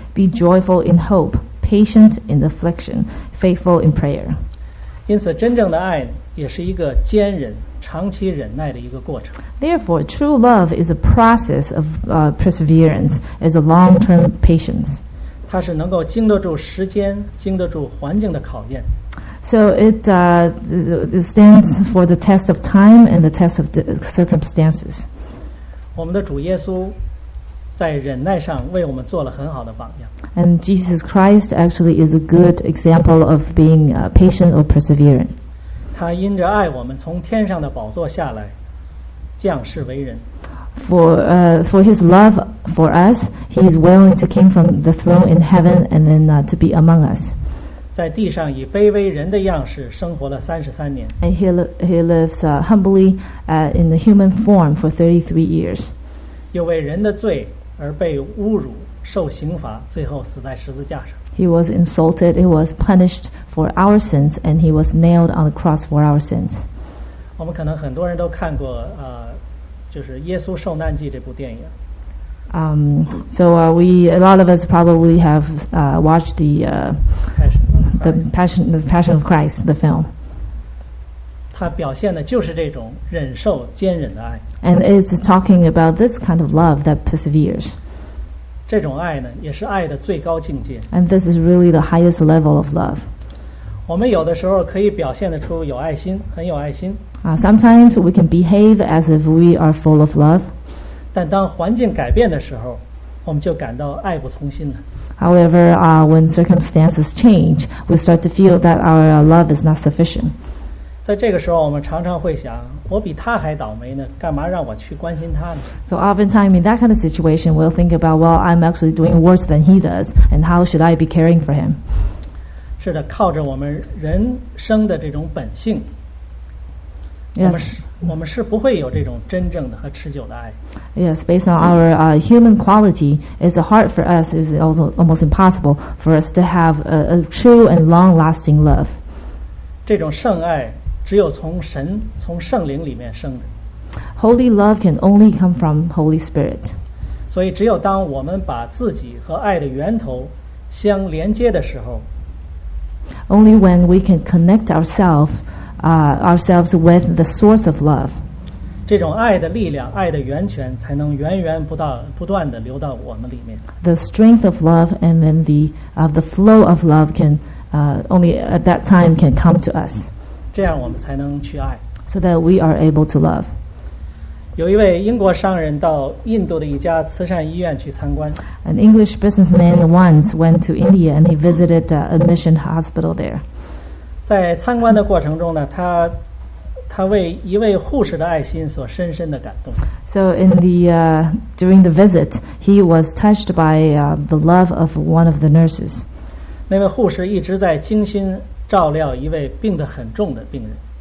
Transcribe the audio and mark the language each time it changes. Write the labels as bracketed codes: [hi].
[en] Be joyful in hope, patient in affliction, faithful in prayer. [zh] 因此，真正的爱也是一个坚忍。长期忍耐的一个过程。 [en] Therefore, true love is a process of perseverance, is a long-term patience. [zh] 它是能够经得住时间、经得住环境的考验。 [en] So it stands for the test of time and the test of the circumstances. [zh] 我们的主耶稣在忍耐上为我们做了很好的榜样。 [en] And Jesus Christ actually is a good example of being patient or perseverant. [zh] 他因着爱我们从天上的宝座下来降世为人。 [en] For his love for us, he is willing to come from the throne in heaven and then to be among us. [zh] 在地上以卑微人的样式生活了33年。 [en] And he lives humbly in the human form for 33 years. [zh] 又为人的罪而被侮辱受刑罚，最后死在十字架上。 [en] He was insulted, he was punished for our sins, and he was nailed on the cross for our sins. [zh] 我们可能很多人都看过就是耶稣受难记这部电影。 [en] A lot of us probably have watched the Passion of Christ, the film. [zh] 它表现的就是这种忍受坚忍的爱。 [en] And it's talking about this kind of love that perseveres. [zh] 这种爱呢，也是爱的最高境界。 [en] And this is really the highest level of love. [zh] 我们有的时候可以表现得出有爱心，很有爱心。 [en] Sometimes we can behave as if we are full of love. [zh] 但当环境改变的时候，我们就感到爱不从心了。 [en] However, when circumstances change, we start to feel that our love is not sufficient. [zh] 在这个时候，我们常常会想，我比他还倒霉呢，干嘛让我去关心他呢？ [en] So oftentimes in that kind of situation, we'll think about, well, I'm actually doing worse than he does, and how should I be caring for him? [zh] 是的，靠着我们人生的这种本性。 [en] Yes. [zh] 我们是不会有这种真正的和持久的爱。 [en] Yes, based on our human quality, it's hard for us, it's also almost impossible for us to have a true and long-lasting love. [zh] 这种圣爱只有从神、从圣灵里面生的。 [en] Holy love can only come from Holy Spirit. [zh] 所以只有当我们把自己和爱的源头相连接的时候， [en] Only when we can connect ourselves with the source of love. [zh] 这种爱的力量，爱的源泉，才能源源不断地流到我们里面。 [en] The strength of love and then the flow of love can only at that time can come to us. [zh] 这样我们才能去爱。 [en] So that we are able to love. [zh] 有一位英国商人到印度的一家慈善医院去参观。 [en] An English businessman once went to India and he visited a mission hospital there. [zh] 在参观的过程中呢，他为一位护士的爱心所深深的感动。 [en] So in the during the visit, he was touched by the love of one of the nurses. [zh] 那位护士一直在精心照料一位病得很重的病人。